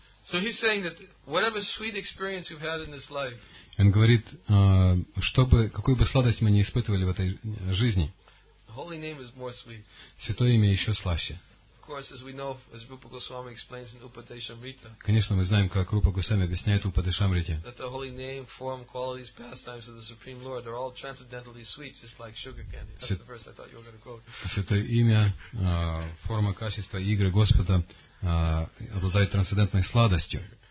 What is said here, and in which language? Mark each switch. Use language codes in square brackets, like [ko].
[en] So he's saying that whatever sweet experience you've had in this life, [ru] он говорит, чтобы какую бы сладость мы не испытывали в этой жизни, [en] Holy name is more sweet. [ru] Святое имя еще слаще. [en] course, as we know, as Rupa Goswami explains in Upadeshamrita. [ru] Конечно, мы знаем, как Рупа Госвами объясняет в Упадешамрите. [en] That the holy name, form, qualities, pastimes of the Supreme Lord are all transcendentally sweet, just like sugar candy. That's the verse I thought you were going to quote. [ru] Святое имя, форма, качество, игры Господа обладает трансцендентной сладостью.